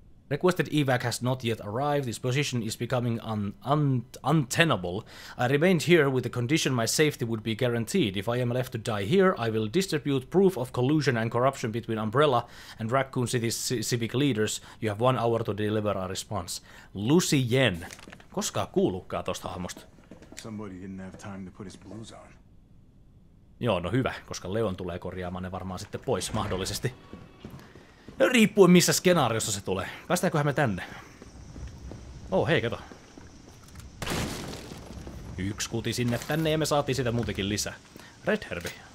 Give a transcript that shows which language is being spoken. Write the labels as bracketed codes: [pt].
[en] requested evac has not yet arrived. This position is becoming untenable. I remained here with the condition my safety would be guaranteed. If I am left to die here, I will distribute proof of collusion and corruption between Umbrella and Raccoon City's civic leaders. You have 1 hour to deliver a response. Lucy Yen. [fi] Koskaan kuullutkaan tosta hahmosta. [en] Somebody didn't have time to put his blues on. [fi] Joo, no hyvä, koska Leon tulee korjaamaan ne varmaan sitten pois mahdollisesti. Riippuen missä skenaariossa se tulee. Päästäänköhän me tänne? Oh, hei, kato. Yksi kuti sinne tänne ja me saatiin sitä muutenkin lisää. Red Herbi.